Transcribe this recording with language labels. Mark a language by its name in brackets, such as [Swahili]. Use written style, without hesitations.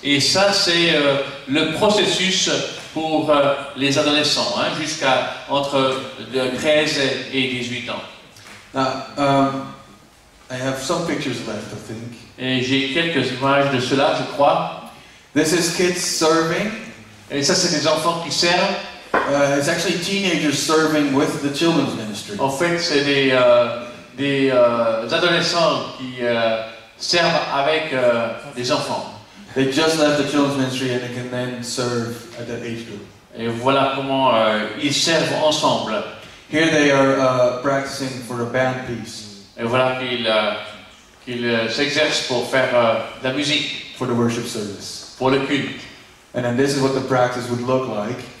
[French] Et ça c'est le processus pour les adolescents, hein, jusqu'à entre 13 et 18 ans. [English] Now, I have some pictures left, I think. [French] Et j'ai quelques images de cela, je crois. [English] This is kids serving. [French] Et ça, c'est des enfants qui servent. [English] It's actually teenagers serving with the children's ministry. [French] En fait, c'est des adolescents qui servent avec des enfants. [English] They just left the children's ministry and they can then serve at that age group. [French] Et voilà comment ils servent ensemble. [English] Here they are practicing for a band piece. [French] Et voilà qu'ils s'exercent pour faire la musique. [English] For the worship service. [French] Pour le culte. [English] And then this is what the practice would look like.